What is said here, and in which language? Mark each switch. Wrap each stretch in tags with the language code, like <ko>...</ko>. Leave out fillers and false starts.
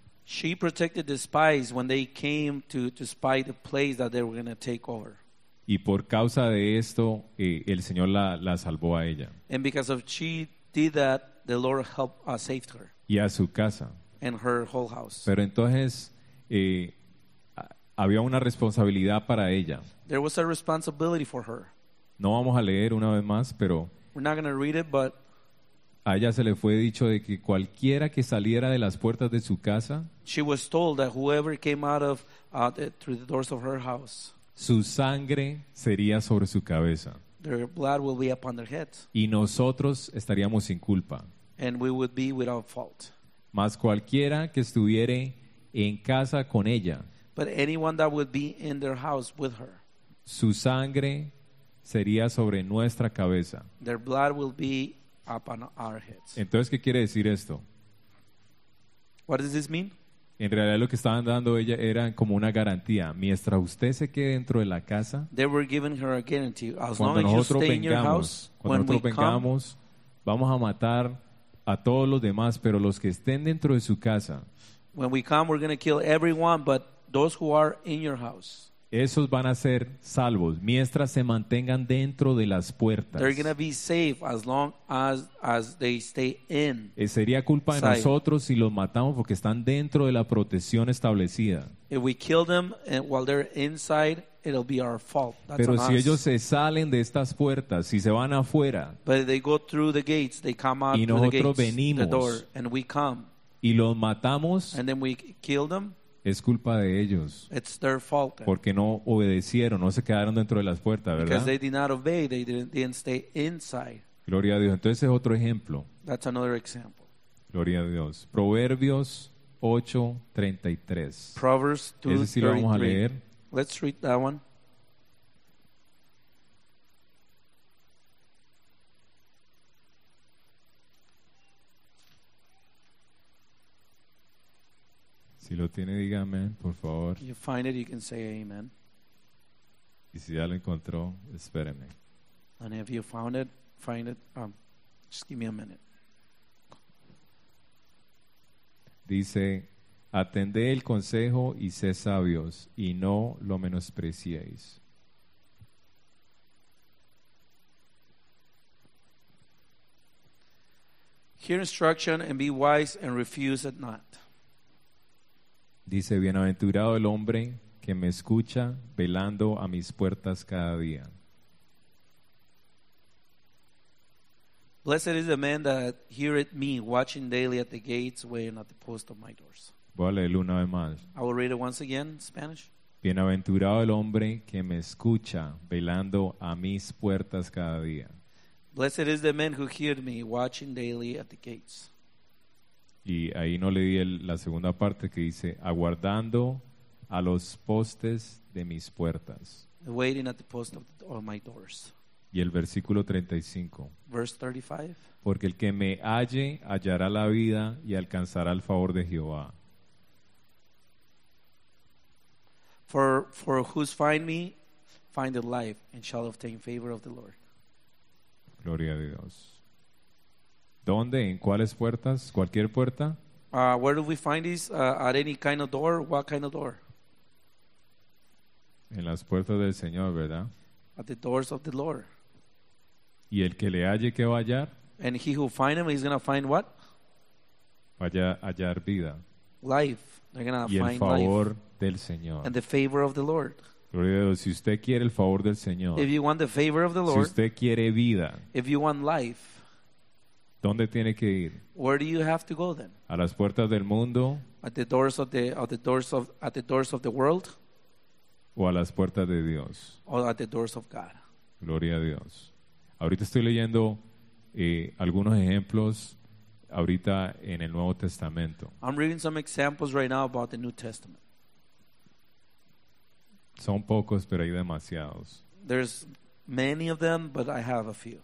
<en>She protected the spies when they came to spy the place that they were going to take over.</en> <es>Y por causa de esto, el Señor la salvó a ella.</es> <en>And because of she did that, the Lord saved her.</en> <es>Y a su casa.</es> <en>And her whole house.</en> <es>Pero entonces, había una responsabilidad para ella.</es> <en>There was a responsibility for her.</en> <es>No vamos a leer una vez más, pero</es> <en>we're not going to read it, but</en> <es>a ella se le fue dicho de que cualquiera que saliera de las puertas de su casa,</es> <en>she was told that whoever came out of through the doors of her house,</en> <es>su sangre sería sobre su cabeza.</es> <en>Their blood will be upon their heads.</en> <es>Y nosotros estaríamos sin culpa.</es> <en>And we would be without fault.</en> <es>Mas cualquiera que estuviere en casa con ella,</es> <en>but anyone that would be in their house with her,</en> <es>su sangre sería sobre nuestra cabeza.</es> <en>Their blood will be upon our heads.</en> <es>Entonces, ¿qué quiere decir esto?</es> <en>What does this mean?</en> <es>En realidad lo que estaban dando ella era como una garantía. Mientras usted se quede dentro de la casa,</es> <en>they were giving her a guarantee. As long as you stay in your house,</en> <es>cuando nosotros vengamos, vamos a matar a todos los demás, pero los que estén dentro de su casa,</es> <en>when we come, we're going to kill everyone, but those who are in your house,</en> <es>esos van a ser salvos mientras se mantengan dentro de las puertas.</es> <en>They're going to be safe as long as they stay in.</en> <es>Sería culpa de nosotros si los matamos porque están dentro de la protección establecida.</es> <en>If we kill them and while they're inside, it'll be our fault. That's</en> <es>pero si</es> <en>us.</en> <es>Ellos se salen de estas puertas, si se van afuera,</es> <en>but they go through the gates, they come out</en> <es>y nosotros</es> <en>through the gates,</en> <es>venimos</es> <en>the door, and we come,</en> <es>y los matamos,</es> <en>and then we kill them,</en> <es>es culpa de ellos.</es> <en>It's their fault,</en> <es>porque no obedecieron, no se quedaron dentro de las puertas, ¿verdad?</es> <en>Because they did not obey, they didn't stay inside.</en> <es>Gloria a Dios. Entonces es otro ejemplo.</es> <en>That's another example.</en> <es>Gloria a Dios. Proverbios 8:33.</es> <en>Proverbs 2:33.</en> <es>Ese sí lo vamos a leer.</es> <en>Let's read that one.</en> <es>Si lo tiene, diga amén, por favor.</es> <en>You find it, you can say amen.</en> <es>Y si ya lo encontró, espéreme.</es> <en>And if you found it, find it, just give me a minute.</en> <es>Dice, atended el consejo y sé sabios, y no lo menospreciéis.</es> <en>Hear instruction and be wise and refuse it not.</en> <es>Dice, bienaventurado el hombre que me escucha velando a mis puertas cada día.</es> <en>Blessed is the man that heareth me, watching daily at the gates, weighing at the post of my doors.</en> <es>Voy a leerlo una vez más.</es> <en>I will read it once again in Spanish.</en> <es>Bienaventurado el hombre que me escucha velando a mis puertas cada día.</es> <en>Blessed is the man who heareth me, watching daily at the gates.</en> <es>Y ahí no leí la segunda parte que dice, aguardando a los postes de mis puertas.</es> <en>Waiting at the post of my doors.</en> <es>Y el versículo 35.</es> <en>Verse 35.</en> <es>Porque el que me halle, hallará la vida y alcanzará el favor de Jehová.</es> <en>For whose find me, find the life and shall obtain favor of the Lord.</en> <es>Gloria a Dios. ¿Dónde? ¿En cuáles puertas? ¿Cualquier puerta?</es> <en>Where do we find this? At any kind of door? What kind of door?</en> <es>En las puertas del Señor, ¿verdad?</es> <en>At the doors of the Lord.</en> <es>¿Y el que le halle qué va a hallar?</es> <en>And he who find him, he's going to find what?</en> <es>Vaya a hallar vida.</es> <en>Life. They're going to find life.</en> <es>Y el favor</es> <en>life.</en> <es>Del Señor.</es> <en>And the favor of the Lord.</en> <es>Gloria a Dios, si usted quiere el favor del Señor.</es> <en>If you want the favor of the Lord.</en> <es>Si usted quiere vida.</es> <en>If you want life.</en> <es>¿Dónde tiene que ir?</es> <en>Where do you have to go then?</en> <es>A las puertas del mundo.</es> <en>At the doors of the world.</en> <es>O a las puertas de Dios.</es> <en>Or at the doors of God.</en> <es>Gloria a Dios. Ahorita estoy leyendo algunos ejemplos ahorita en el Nuevo Testamento.</es> <en>I'm reading some examples right now about the New Testament.</en> <es>Son pocos, pero hay demasiados.</es> <en>There's many of them, but I have a few.</en>